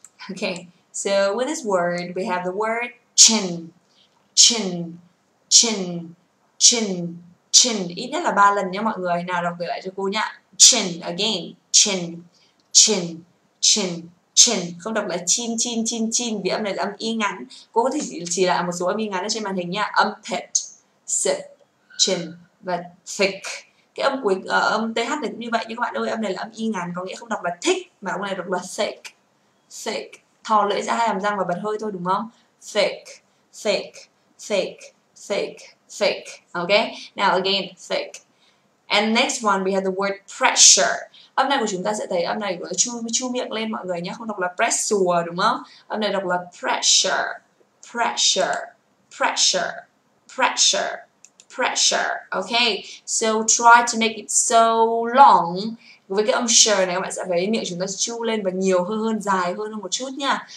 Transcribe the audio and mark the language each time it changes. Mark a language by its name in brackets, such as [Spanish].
[English] Okay, so with this word, we have the word chin, chin, chin, chin, chin. [Vietnamese] Ít nhất là 3 lần nhé mọi người. Nào đọc lại cho cô nhá. Chin, [English] again, [Vietnamese] chin, chin, chin, chin. Không đọc là chin, chin, chin, chin, vì âm này là âm y ngắn. Cô có thể chỉ là một số âm y ngắn ở trên màn hình nhá. Âm pet, sip, chin, và thick. Cái âm cuối, âm th này cũng như vậy. Nhưng các bạn ơi, âm này là âm y ngắn, có nghĩa không đọc là thick, mà âm này đọc là thick. Thick, thò lưỡi ra hai hàm răng và bật hơi thôi đúng không? [English] Thick, thick, thick, thick, thick. Okay, now again, thick. And next one, we have the word pressure. [Vietnamese] Âm này của chúng ta sẽ thấy âm này của chu, chu miệng lên mọi người nhé. Không đọc là pressure đúng không? Âm này đọc là pressure, pressure, pressure, pressure, pressure. [English] Okay, so try to make it so long. [Vietnamese] Với cái âm sh này các bạn sẽ thấy miệng chúng ta chu lên và nhiều hơn hơn, dài hơn một chút nha.